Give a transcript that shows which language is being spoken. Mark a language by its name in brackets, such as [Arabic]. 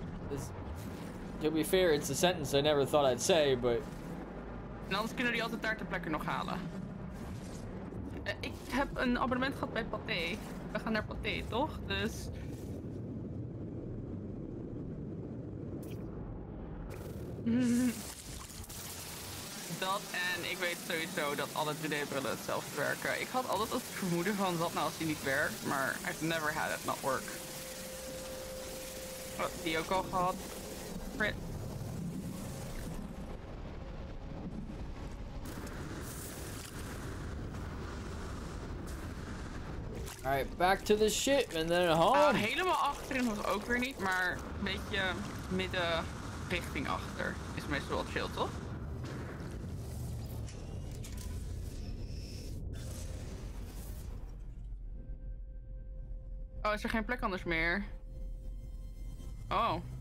[English] This, to be fair, it's a sentence I never thought I'd say, but... [Dutch] En anders kunnen die altijd daar ter plekke nog halen. Ik heb een abonnement gehad bij Pathé. We gaan naar Pathé, toch? Dus... Dat en ik weet sowieso dat alle 3D-brillen hetzelfde werken. Ik had altijd het vermoeden van wat nou als die niet werkt, maar [English] I've never had it not work. [Dutch] Oh, die ook al gehad. Frit. [English] Alright, back to the ship and then home. [Dutch] Helemaal achterin was ook weer niet, maar een beetje midden richting achter. Is meestal wel chill, toch? is er geen plek anders meer? Oh.